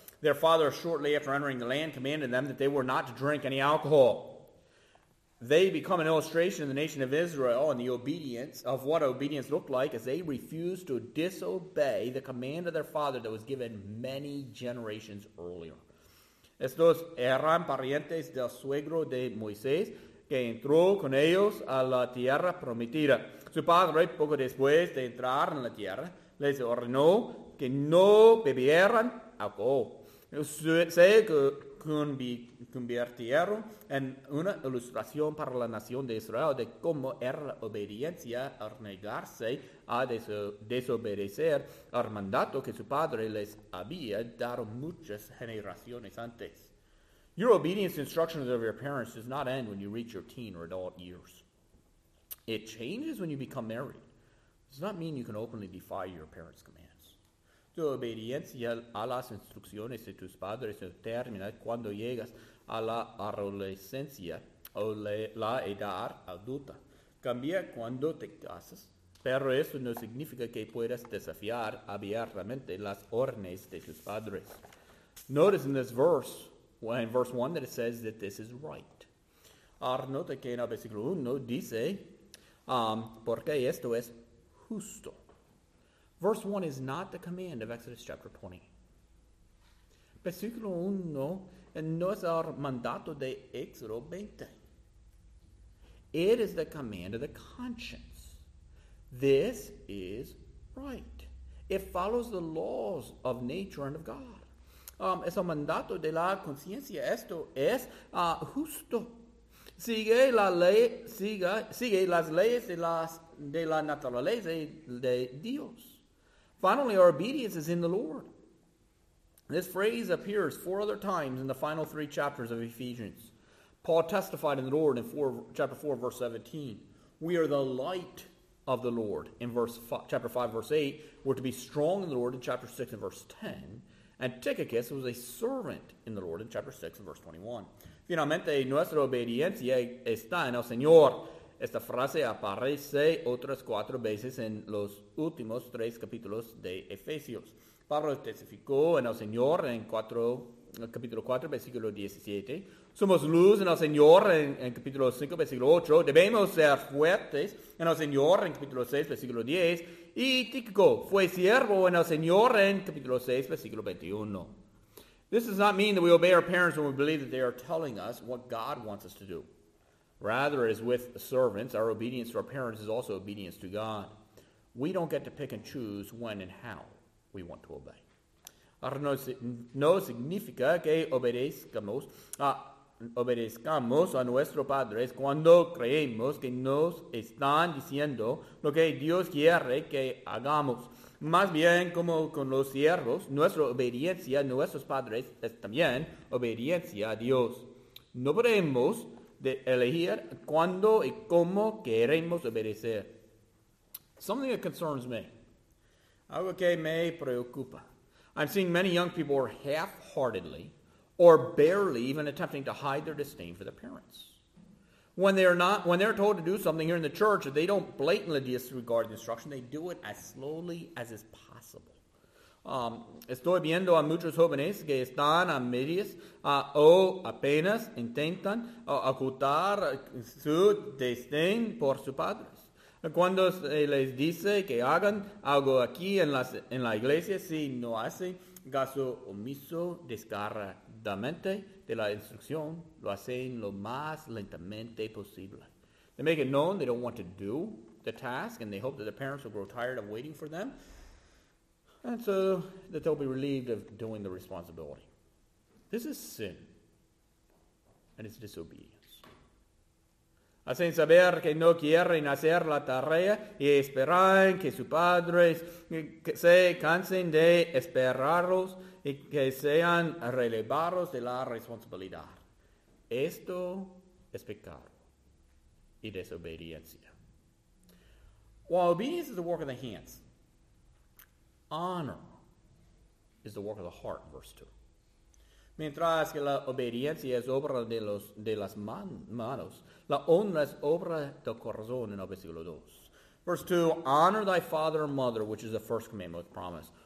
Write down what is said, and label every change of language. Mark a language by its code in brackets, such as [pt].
[en] Their father, shortly after entering the land, commanded them that they were not to drink any alcohol. They become an illustration of the nation of Israel and the obedience of what obedience looked like as they refused to disobey the command of their father that was given many generations earlier. [es] Estos eran parientes del suegro de Moisés que entró con ellos a la tierra prometida. Su padre, poco después de entrar en la tierra, les ordenó que no bebieran alcohol. Sé que convirtieron en una ilustración para la nación de Israel de cómo era la obediencia al negarse a desobedecer al mandato que su padre les había dado muchas generaciones antes. [en] Your obedience to instructions of your parents does not end when you reach your teen or adult years. It changes when you become married. It does not mean you can openly defy your parents' commands. [es] Tu obediencia a las instrucciones de tus padres termina cuando llegas a la adolescencia o la edad adulta. Cambia cuando te casas, pero eso no significa que puedas desafiar abiertamente las órdenes de tus padres. [en] Notice in this verse, well, in verse 1, that it says that this is right. [es] Ahora nota que en el versículo 1 dice, porque esto es justo. [en] Verse 1 is not the command of Exodus chapter 20. [es] Versículo 1 no es el mandato de Éxodo 20. [en] It is the command of the conscience. This is right. It follows the laws of nature and of God. [es] Es el mandato de la conciencia. Esto es justo. Sigue las leyes de la naturaleza de Dios. [en] Finally, our obedience is in the Lord. This phrase appears 4 other times in the final 3 chapters of Ephesians. Paul testified in the Lord in chapter 4, verse 17. We are the light of the Lord in chapter 5, verse 8. We're to be strong in the Lord in chapter 6 and verse 10. And Tychicus was a servant in the Lord in chapter 6 and verse 21. [es] Finalmente, nuestra obediencia está en el Señor. Esta frase aparece otras 4 veces en los últimos 3 capítulos de Efesios. Pablo testificó en el Señor en capítulo 4, versículo 17. Somos luz en el Señor en capítulo 5, versículo 8. Debemos ser fuertes en el Señor en capítulo 6, versículo 10. Y Tíquico fue siervo en el Señor en capítulo 6, versículo 21. [en] This does not mean that we obey our parents when we believe that they are telling us what God wants us to do. Rather, as with servants, our obedience to our parents is also obedience to God. We don't get to pick and choose when and how we want to obey. [es] Ahora no significa que obedezcamos a nuestros padres cuando creemos que nos están diciendo lo que Dios quiere que hagamos. Más bien, como con los siervos, nuestra obediencia a nuestros padres es también obediencia a Dios. No podemos elegir cuándo y cómo queremos obedecer. [en] Something that concerns me. [es] Algo que me preocupa. [en] I'm seeing many young people are half-heartedly or barely even attempting to hide their disdain for their parents. When they're told to do something here in the church, they don't blatantly disregard the instruction. They do it as slowly as is possible. [es] Estoy viendo a muchos jóvenes que están a medias o apenas intentan ocultar su disdain por sus padres. Cuando se les dice que hagan algo aquí en la iglesia, si no hacen caso omiso, descaradamente, de la instrucción, lo hacen lo más lentamente posible. [en] They make it known they don't want to do the task and they hope that their parents will grow tired of waiting for them and so that they'll be relieved of doing the responsibility. This is sin and it's disobedience. [es] Hacen saber que no quieren hacer la tarea y esperan que sus padres se cansen de esperarlos y que sean relevados de la responsabilidad. Esto es pecado y desobediencia. [en] While obedience is the work of the hands, honor is the work of the heart, verse 2. [es] Mientras que la obediencia es obra de las manos, la honra es obra del corazón, en el versículo 2. [en] Verse 2, honor thy father and mother, which is the first commandment with promise.